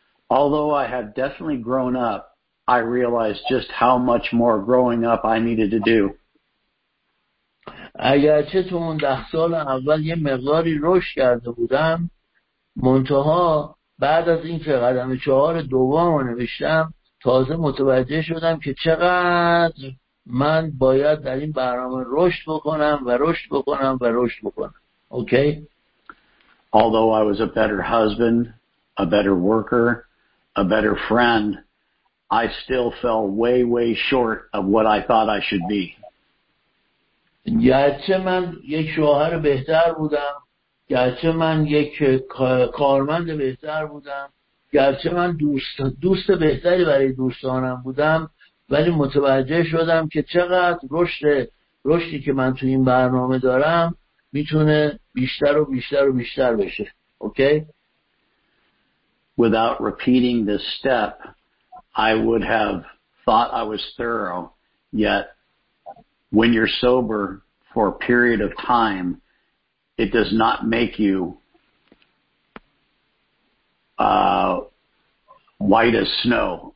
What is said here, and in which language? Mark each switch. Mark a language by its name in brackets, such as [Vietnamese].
[English] Although I had definitely grown up, I realized just how much more growing up I needed to do. [Persian] اگرچه تو اون 10 سال اول یه مقداری رشد کرده بودم، منتها بعد از اینکه قدم چهار دومو نوشتم، تازه متوجه شدم که چقدر من باید در این برنامه رشد بکنم و رشد بکنم و رشد بکنم. [English] Okay? Although I was a better husband, a better worker, a better friend, I still fell way, way short of what I thought I should be. [Persian] گرچه من یک شوهر بهتر بودم، گرچه من یک کارمند بهتر بودم، گرچه من دوست بهتری برای دوستانم بودم، ولی متوجه شدم که چقدر رشدی که من تو این برنامه دارم میتونه بیشتر و بیشتر و بیشتر بشه. [English] Okay? Without repeating this step, I would have thought I was thorough, yet when you're sober for a period of time, it does not make you white as snow.